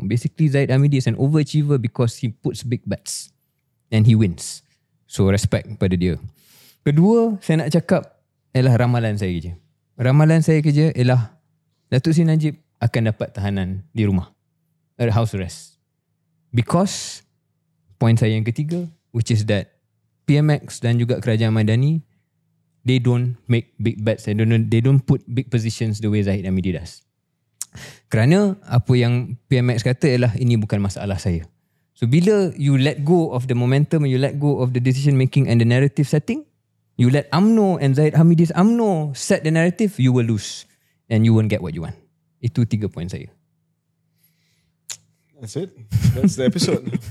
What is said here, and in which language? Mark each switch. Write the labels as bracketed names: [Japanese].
[English] Basically Zahid Hamidi is an overachiever because he puts big bets and he wins. So respect [Malay] pada dia. Kedua, saya nak cakap ialah ramalan saya kerja. Ramalan saya kerja ialah Datuk Seri Najib akan dapat tahanan di rumah, [English] house arrest. Because point [Malay] saya yang ketiga, [English] which is that PMX [Malay] dan juga [English] Kerajaan Madani, they don't make big bets, they don't put big positions the way Zahid Hamidi does. [Malay] Kerana apa yang PMX kata ialah ini bukan masalah saya. So bila [English] you let go of the momentum, you let go of the decision making and the narrative setting, you let UMNO and Zahid Hamidi's UMNO set the narrative, you will lose and you won't get what you want. [Malay] Itu tiga poin saya. [English] That's it. That's the episode.